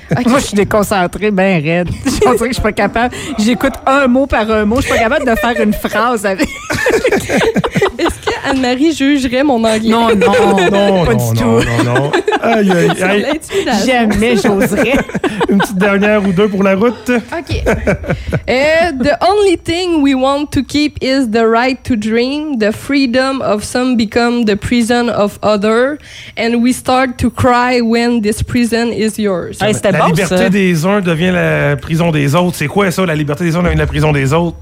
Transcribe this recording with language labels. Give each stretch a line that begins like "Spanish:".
French: Moi, je suis déconcentrée, ben raide. Je pense que je suis pas capable. J'écoute un mot par un mot. Je suis pas capable de faire une phrase avec. Est-ce que Anne-Marie jugerait mon anglais? Non, pas du tout. Aïe. Jamais j'oserais. Une petite dernière ou deux pour la route. OK.
English: The only thing we want to keep is the right to dream. The freedom of some become the prison of others. And we start to cry when this prison is yours.
French: Hey, c'était la bon, liberté ça. Des uns devient la prison des autres. C'est quoi ça, la liberté des uns devient la prison des autres?